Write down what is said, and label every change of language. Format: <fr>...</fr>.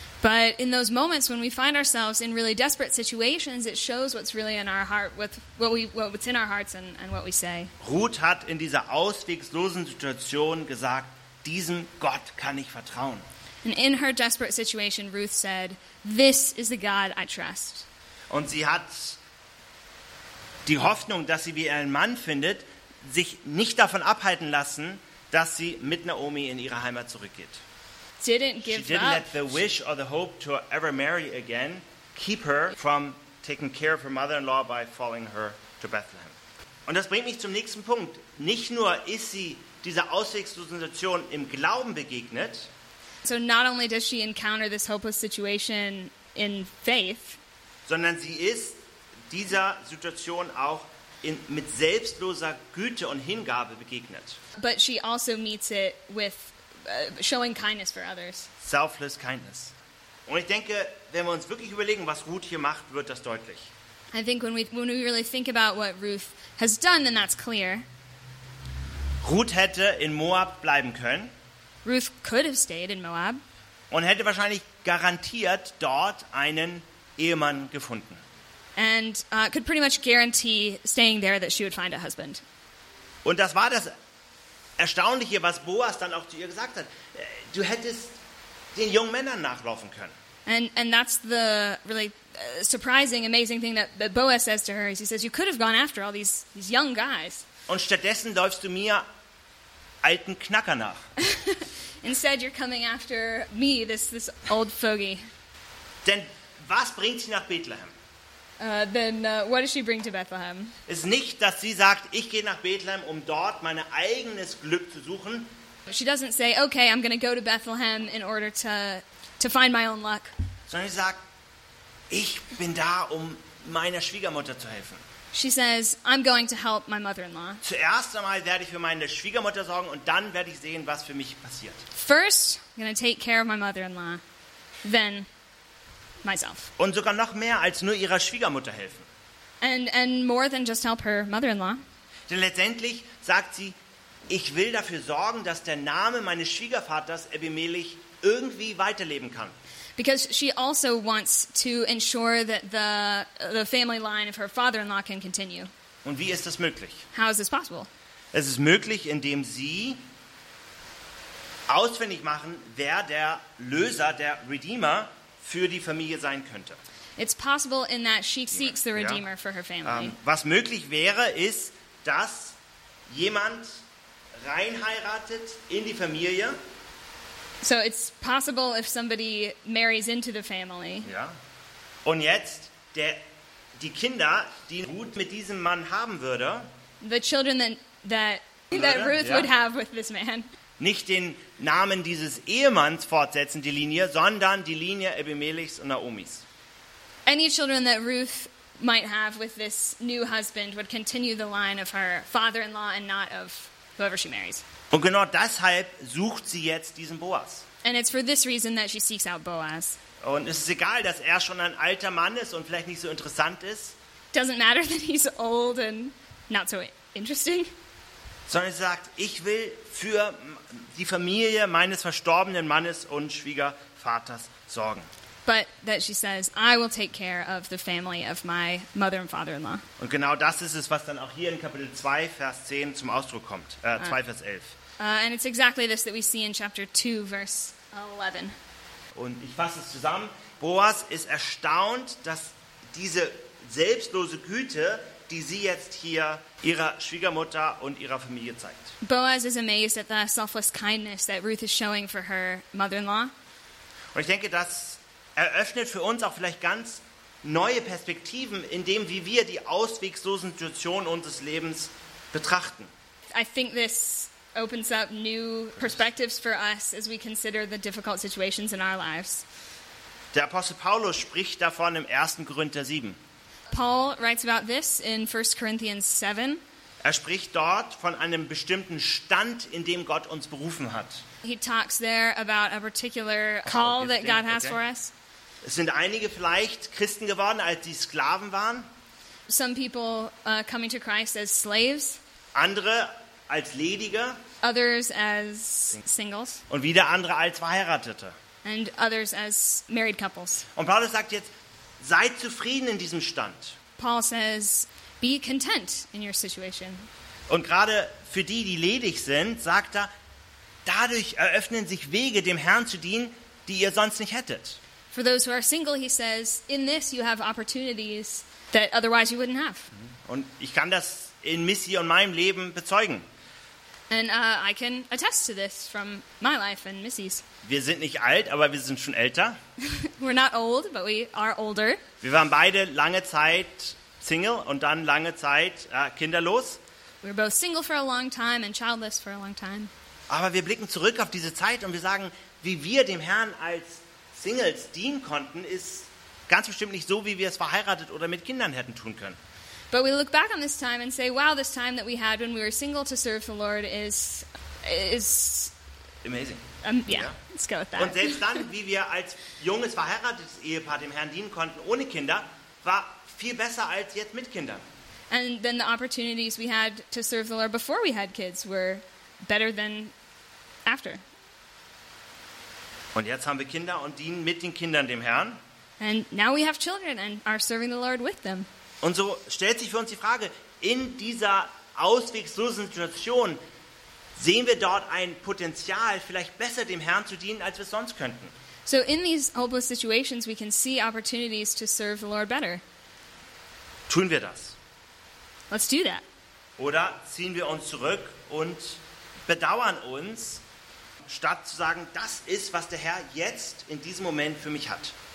<en>But in those moments when we find ourselves in really desperate situations, it shows what's really in our heart, what's in our hearts and what we say.</en> <de>Ruth hat in dieser ausweglosen Situation gesagt, diesem Gott kann ich vertrauen.</de> <en>And in her desperate situation, Ruth said, this is the God I trust.</en> <de>Und sie hat die Hoffnung, dass sie wieder einen Mann findet, sich nicht davon abhalten lassen, dass sie mit Naomi in ihre Heimat zurückgeht.</de> <en>She didn't let the wish or the hope to ever marry again keep her from taking care of her mother-in-law by following her to Bethlehem.</en> <de>Und das bringt mich zum nächsten Punkt. Nicht nur ist sie dieser ausweglosen Situation im Glauben begegnet.</de> <en>So not only does she encounter this hopeless situation in faith,</en> <de>sondern sie ist dieser Situation auch mit selbstloser Güte und Hingabe begegnet.</de> <en>But she also meets it with showing kindness for others. Selfless kindness.</en> <de>Und ich denke, wenn wir uns wirklich überlegen, was Ruth hier macht, wird das deutlich.</de> <en>I think when we really think about what Ruth has done, then that's clear.</en> <de>Ruth hätte in Moab bleiben können.</de> <en>Ruth could have stayed in Moab.</en> <de>Und hätte wahrscheinlich garantiert dort einen Ehemann gefunden.</de> <en>And could pretty much guarantee staying there that she would find a husband.</en> <de>Und das war das Erstaunliche, was Boas dann auch zu ihr gesagt hat. Du hättest den jungen Männern nachlaufen können.</de> <en>And that's the really surprising, amazing thing that Boaz says to her. He says, you could have gone after all these young guys.</en> <de>Und stattdessen läufst du mir alten Knacker nach.</de> <en>Instead, you're coming after me, this old fogey.</en> <de>Denn was bringt sie nach Bethlehem?</de> <en>What does she bring to Bethlehem?</en> <de>Es ist nicht, dass sie sagt, ich gehe nach Bethlehem, um dort mein eigenes Glück zu suchen.</de> <en>She doesn't say, okay, I'm going to go to Bethlehem in order to find my own luck.</en> <de>Sondern sie sagt, ich bin da, um meiner Schwiegermutter zu helfen.</de> <en>She says, I'm going to help my mother-in-law.</en> <de>Zuerst einmal werde ich für meine Schwiegermutter sorgen und dann werde ich sehen, was für mich passiert.</de> <en>First, I'm going to take care of my mother-in-law, then myself.</en> <de>Und sogar noch mehr als nur ihrer Schwiegermutter helfen.</de> <en>And more than just help her mother-in-law.</en> <de>Denn letztendlich sagt sie, ich will dafür sorgen, dass der Name meines Schwiegervaters Abimelech irgendwie weiterleben kann.</de> <en>Because she also wants to ensure that the family line of her father-in-law can continue.</en> <de>Und wie ist das möglich?</de> <en>How is this possible?</en> <de>Es ist möglich, indem sie ausfindig machen, wer der Löser, der Redeemer für die Familie sein könnte.</de> <en>It's possible in that she seeks the Redeemer for her family.</en> <de>Was möglich wäre, ist, dass jemand reinheiratet in die Familie.</de> <en>So it's possible if somebody marries into the family.</en> <de>Ja. Und jetzt die Kinder, die Ruth mit diesem Mann haben würde.</de> <en>The children that Ruth would have with this man.</en> <de>Nicht den Namen dieses Ehemanns fortsetzen, die Linie, sondern die Linie Abimelechs und Naomis.</de> <en>Any children that Ruth might have with this new husband would continue the line of her father-in-law and not of whoever she marries.</en> <de>Und genau deshalb sucht sie jetzt diesen Boas.</de> <en>And it's for this reason that she seeks out Boas.</en> <de>Und es ist egal, dass er schon ein alter Mann ist und vielleicht nicht so interessant ist.</de> <en>Doesn't matter that he's old and not so interesting.</en> <de>Sondern sie sagt, ich will für die Familie meines verstorbenen Mannes und Schwiegervaters sorgen.</de> <en>But that she says, I will take care of the family of my mother and father-in-law.</en> <de>Und genau das ist es, was dann auch hier in Kapitel 2, Vers 10 zum Ausdruck kommt. 2, Vers 11.</de> <en>And it's exactly this that we see in chapter 2, verse 11.</en> <de>Und ich fasse es zusammen. Boas ist erstaunt, dass diese selbstlose Güte, die sie jetzt hier ihrer Schwiegermutter und ihrer Familie zeigt.</de> <en>Boas is amazed at the selfless kindness that Ruth is showing for her mother-in-law.</en> <de>Und ich denke, dass eröffnet für uns auch vielleicht ganz neue Perspektiven, in dem, wie wir die ausweglosen Situationen unseres Lebens betrachten.</de> <en>I think this opens up new perspectives for us as we consider the difficult situations in our lives.</en> <de>Der Apostel Paulus spricht davon im 1. Korinther 7.</de> <en>Paul writes about this in 1. Corinthians 7.</en> <de>Er spricht dort von einem bestimmten Stand, in dem Gott uns berufen hat.</de> <en>He talks there about a particular call that God has for us.</en> <de>Es sind einige vielleicht Christen geworden, als sie Sklaven waren.</de> <en>Some people coming to Christ as slaves.</en> <de>Andere als Ledige.</de> <en>Others as singles.</en> <de>Und wieder andere als Verheiratete.</de> <en>And others as married couples.</en> <de>Und Paulus sagt jetzt, seid zufrieden in diesem Stand.</de> <en>Paul says, be content in your situation.</en> <de>Und gerade für die ledig sind, sagt er, dadurch eröffnen sich Wege, dem Herrn zu dienen, die ihr sonst nicht hättet.</de> <en>For those who are single, he says, in this you have opportunities that otherwise you wouldn't have.</en> <de>Und ich kann das in Missy und meinem Leben bezeugen.</de> <en>And I can attest to this from my life and Missy's.</en> <de>Wir sind nicht alt, aber wir sind schon älter.</de> <en>We're not old, but we are older.</en> <de>Wir waren beide lange Zeit single und dann lange Zeit kinderlos.</de> <en>We were both single for a long time and childless for a long time.</en> <de>Aber wir blicken zurück auf diese Zeit und wir sagen, wie wir dem Herrn als Singles dienen konnten, ist ganz bestimmt nicht so, wie wir es verheiratet oder mit Kindern hätten tun können.</de> <en>But we look back on this time and say, wow, this time that we had when we were single to serve the Lord is amazing. Let's go with that.</en> <de>Und selbst dann, wie wir als junges verheiratetes Ehepaar dem Herrn dienen konnten ohne Kinder, war viel besser als jetzt mit Kindern.</de> <en>And then the opportunities we had to serve the Lord before we had kids were better than after.</en> <de>Und jetzt haben wir Kinder und dienen mit den Kindern dem Herrn.</de> <en>And now we have children and are serving the Lord with them.</en> <de>Und so stellt sich für uns die Frage, in dieser ausweglosen Situation sehen wir dort ein Potenzial, vielleicht besser dem Herrn zu dienen, als wir es sonst könnten.</de> <en>So in these hopeless situations we can see opportunities to serve the Lord better.</en> <de>Tun wir das?</de> <en>Let's do that.</en> <de>Oder ziehen wir uns zurück und bedauern uns, statt zu sagen, das ist, was der Herr jetzt in diesem Moment für mich hat.</de>